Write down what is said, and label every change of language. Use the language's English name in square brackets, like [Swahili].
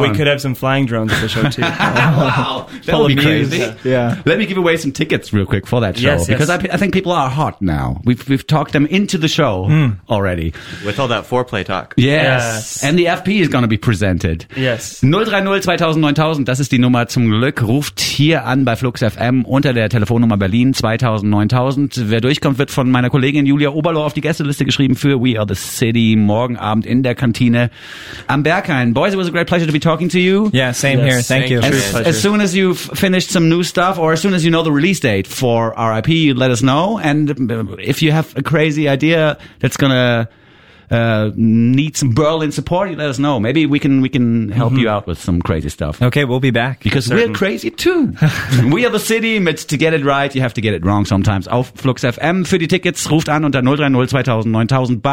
[English] We could have some flying drones at the show, too. Wow. That would be crazy. Yeah. Let me give away some tickets real quick for that show. Yes, because I think people are hot now. We've talked them into the show already. With all that foreplay talk. Yes. And the FP is going to be presented. Yes. [German] 030 2000 9000. Das ist die Nummer zum Glück. Ruft hier an bei Flux FM unter der Telefonnummer Berlin 2000 9000. Wer durchkommt, wird von meiner Kollegin Julia Oberloh auf die Gästeliste geschrieben für We Are The City. Morgen Abend in der Kantine. I'm Berghain. [English] Boys, it was a great pleasure to be talking to you. Yeah, same here. Thank you. As soon as you've finished some new stuff or as soon as you know the release date for RIP, you let us know. And if you have a crazy idea that's going to need some Berlin support, you let us know. Maybe we can help you out with some crazy stuff. Okay, we'll be back. Because we're crazy too. We are the city. But to get it right, you have to get it wrong sometimes. [German] Auf Flux FM für die Tickets. Ruft an unter 030 2000 9000. Bye.